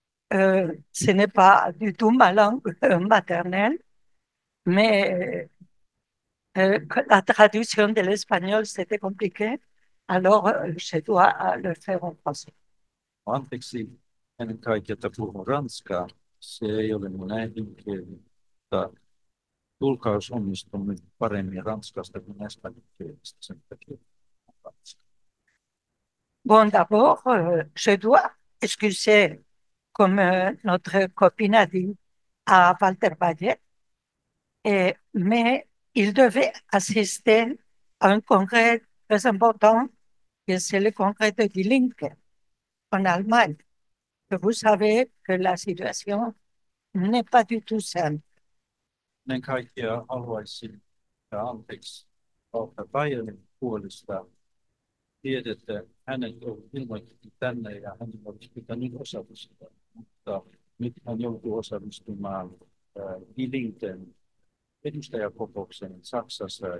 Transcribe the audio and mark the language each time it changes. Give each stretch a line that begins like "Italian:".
French: Ce n'est pas du tout ma langue maternelle, mais la traduction de l'espagnol, c'était compliqué. Alors, je dois le faire en français.
Finnish: Anteeksi, ennen kaikkea, että puhun ranskaa. Se ei ole mun äidinkieli, mutta tulkaus onnistuu nyt paremmin ranskasta kuin espanjankielestä. Sen takia ranskaa.
French: Bon, d'abord, je dois excuser, comme notre copine a dit, à Walter Bayer, mais il devait assister à un congrès très important, et c'est le congrès de Die Linke en Allemagne. Vous savez que la situation n'est pas du tout simple.
Finnish: Ennen kaikkea haluaisin, ja anteeksi, Walter Bayerin puolesta. Tiedätte, hänet on ilmoitettu tänne ja hän olisi pitänyt osallistua, mutta nyt hän joutuu osallistumaan Linken edustajakokoukseen Saksassa.